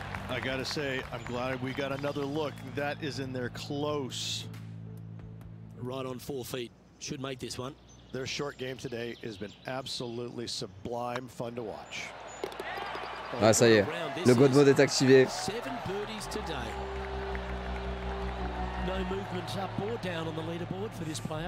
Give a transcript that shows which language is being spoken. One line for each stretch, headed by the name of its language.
English: I gotta say, I'm glad we got another look. That is in there close. Right on 4 feet. Should make this one. Their short game today has been absolutely sublime, fun to watch.
French: Ah, ça y est, le God Mode est activé.
English: Seven birdies today. No movement up or down on the leaderboard for this player.